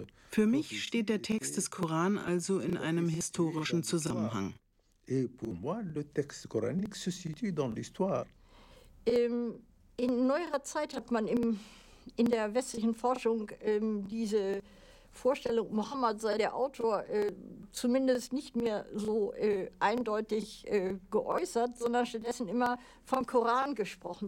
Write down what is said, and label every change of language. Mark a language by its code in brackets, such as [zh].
[de] Für mich steht der Text des Koran also in einem historischen Zusammenhang. [fr] Et pour moi, le texte coranique se situe dans l'histoire. [de] In neuerer Zeit hat man in der westlichen Forschung diese Vorstellung, Mohammed sei der Autor, zumindest nicht mehr so eindeutig geäußert, sondern stattdessen immer vom Koran gesprochen.